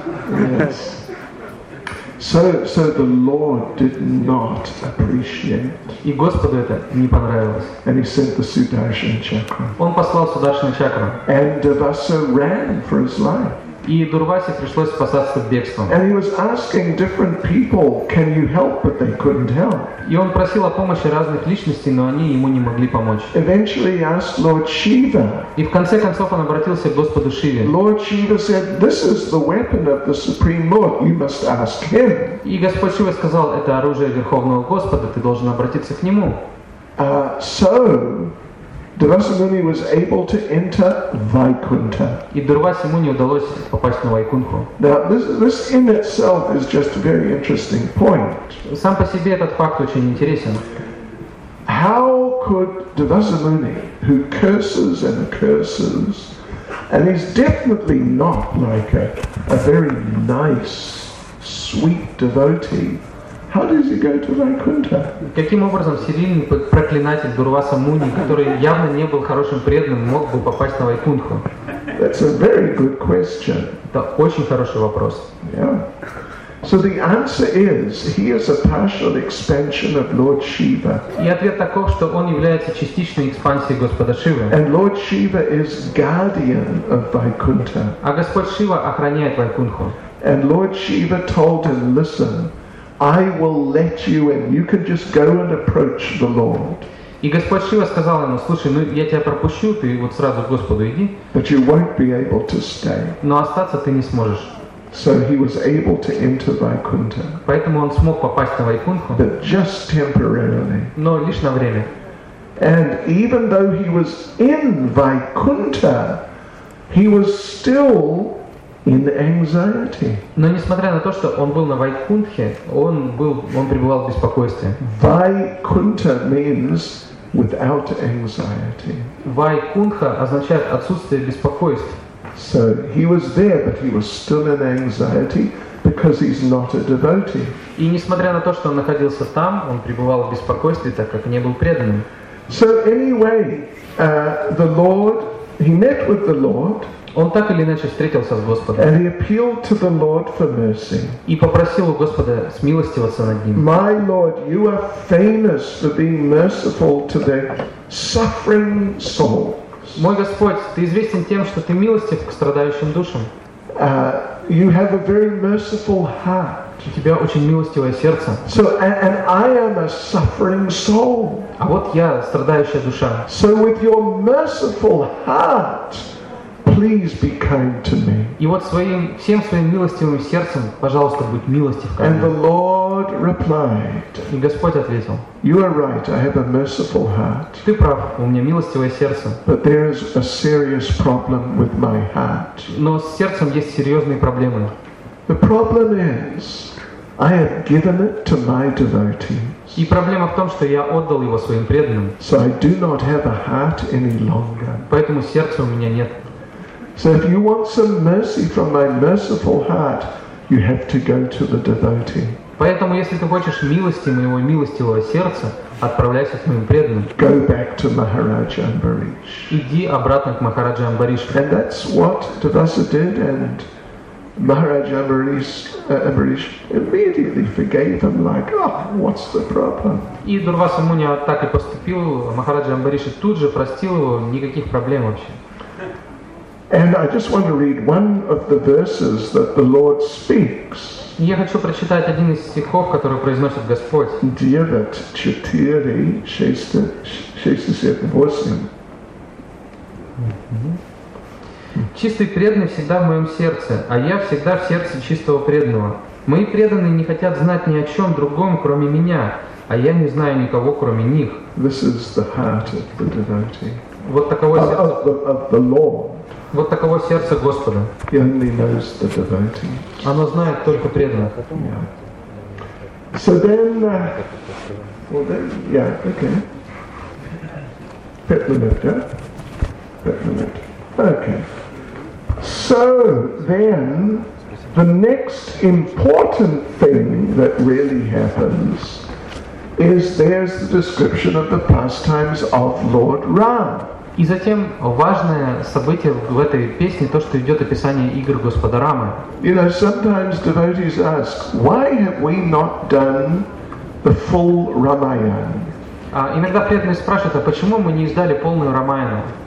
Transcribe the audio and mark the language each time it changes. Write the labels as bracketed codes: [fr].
[en] Yes. So the Lord did not appreciate. [ru] И Господу это не понравилось. [en] And he sent the Sudarshan Chakra. [ru] Он послал Сударшан Чакру. [en] And Durvasa ran for his life. [ru] И Дурвасе пришлось спасаться бегством. [en] And he was asking different people, can you help? But they couldn't help. [ru] И он просил о помощи разных личностей, но они ему не могли помочь. [en] Eventually he asked Lord Shiva. [ru] И в конце концов он обратился к Господу Шиве. [en] Lord Shiva said, this is the weapon of the Supreme Lord, you must ask him. [ru] И Господь Шива сказал, это оружие Верховного Господа, ты должен обратиться к нему. [en] So Durvasa Muni was able to enter Vaikuntha. [ru] И Дурвасе Муни удалось попасть на Вайкунху. [en] Now this in itself is just a very interesting point. [ru] Сам по себе этот факт очень интересен. [en] How could Durvasa Muni, who curses and curses, and he's definitely not like a very nice, sweet devotee, how does he go to Vaikuntha? [ru] Каким образом сирийный проклинатель Дурваса Муни, который явно не был хорошим преданным, мог бы попасть на Вайкунху? [en] That's a very good question. [ru] Это очень хороший вопрос. [en] Yeah. So the answer is, he is a partial expansion of Lord Shiva. [ru] И ответ таков, что он является частичной экспансией Господа Шивы. [en] And Lord Shiva is guardian of Vaikuntha. [ru] А Господь Шива охраняет Вайкунху. [en] And Lord Shiva told him, listen, I will let you in. You can just go and approach the Lord. [ru] И Господь Шива сказал ему: "Слушай, ну я тебя пропущу, ты вот сразу к Господу иди." [en] But you won't be able to stay. [ru] Но остаться ты не сможешь. [en] So he was able to enter Vaikuntha. [ru] Поэтому он смог попасть на Вайкунху. [en] But just temporarily. [ru] Но лишь на время. [en] And even though he was in Vaikuntha, he was still in anxiety. [ru] Но несмотря на то, что он был на Вайкунтхе, он пребывал в беспокойстве. [en] Vaikuntha means without anxiety. [ru] Вайкунтха означает отсутствие беспокойств. [en] So he was there, but he was still in anxiety because he's not a devotee. [ru] И несмотря на то, что он находился там, он пребывал в беспокойстве, так как не был преданным. [en] So anyway, the Lord, he met with the Lord. [ru] Он так или иначе встретился с Господом. [en] And he appealed to the Lord for mercy. [ru] И попросил у Господа смилостивиться над ним. [en] My Lord, you are famous for being merciful to the suffering soul. [ru] Мой Господь, ты известен тем, что ты милостив к страдающим душам. [en] You have a very merciful heart. [ru] У тебя очень милостивое сердце. [en] So and I am a suffering soul. [ru] А вот я страдающая душа. [en] So with your merciful heart, please be kind to me. [ru] И вот всем своим милостивым сердцем, пожалуйста, будь милостив ко мне. [en] And the Lord replied. [ru] И Господь ответил. [en] You are right. I have a merciful heart. [ru] Ты прав. У меня милостивое сердце. [en] But there is a serious problem with my heart. [ru] Но с сердцем есть серьезные проблемы. [en] The problem is, I have given it to my devotees. [ru] И проблема в том, что я отдал его своим преданным. [en] So I do not have a heart any longer. [ru] Поэтому сердца у меня нет. [en] So if you want some mercy from my merciful heart, you have to go to the devotee. [ru] Поэтому, если ты хочешь милости моего милостивого сердца, отправляйся к моим преданным. [en] Go back to Maharaja Ambarish. [ru] Иди обратно к Махараджа Амбаришу. [en] And that's what Durvasa did, and Maharaja Ambarish immediately forgave him, like, oh, what's the problem? [ru] И Дурваса Муни так и поступил, Махараджа Амбариш тут же простил его, никаких проблем вообще. [en] And I just want to read one of the verses that the Lord speaks. [ru] Я хочу прочитать один из стихов, который произносит Господь. Девят четыре шестьдесят восемь. Чистый преданный всегда в моем сердце, а я всегда в сердце чистого преданного. Мои преданные не хотят знать ни о чем другом, кроме меня, а я не знаю никого, кроме них. [en] This is the heart of the devotee. [ru] Вот таково сердце. [en] Of the Lord. [ru] Вот таково сердце Господа. [en] He only knows the devotee. [ru] Оно знает только преданных. [en] Yeah. So then, okay. Pet limit, yeah? Pet limit. Okay. So So then, the next important thing that really happens is there's the description of the pastimes of Lord Ram. [ru] И затем важное событие в этой песне то, что идет описание игр Господа Рамы. [en] You know, sometimes devotees ask, why have we not done the full Ramayana? [ru] Иногда преданные спрашивают, а почему мы не издали полную Рамаяну?